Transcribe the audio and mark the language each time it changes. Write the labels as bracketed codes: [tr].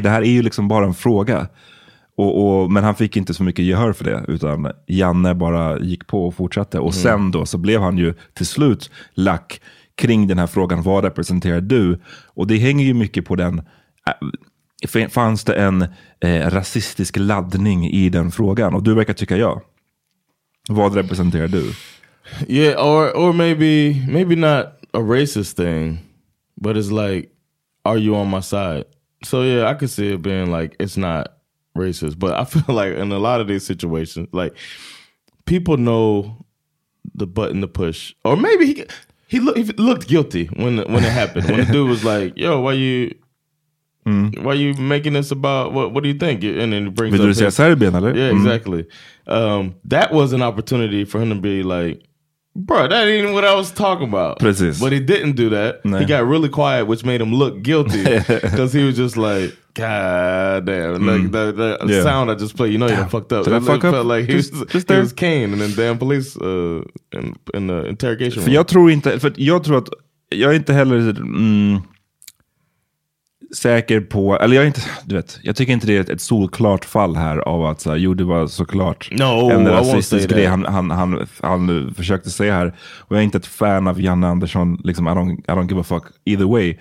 [sv] Det här är ju liksom bara en fråga. Men han fick inte så mycket gehör för det, utan Janne bara gick på och fortsatte. Och sen då så blev han ju till slut lack kring den här frågan, vad representerar du? Och det hänger ju mycket på den, fanns det en rasistisk laddning i den frågan? Och du verkar tycka ja. Vad representerar du? [en] Yeah, or maybe not a racist thing, but it's like, are you on my side? So yeah, I could see it being like, it's not racist, but I feel like in a lot of these situations, like, people know the button to push, or maybe he looked guilty when it happened. When the dude was like, "Yo, why you making this about what do you think?" And then he brings up, yeah, exactly. That was an opportunity for him to be like, Bro, that ain't what I was talking about. [sv] Precis. [en] But he didn't do that. Nej. He got really quiet, which made him look guilty. Because he was just like, God damn. Like, that sound I just played, you know, you fucked up. Did that fuck up? Felt like he was Kane and then damn police in the interrogation room. [sv] Jag tror att jag är inte heller säker på, eller jag är inte, du vet, jag tycker inte det är ett solklart fall här av att så här, jo, det var såklart en rasistisk grej han försökte säga här. Och jag är inte ett fan av Janne Andersson, liksom, [en] I don't give a fuck either way.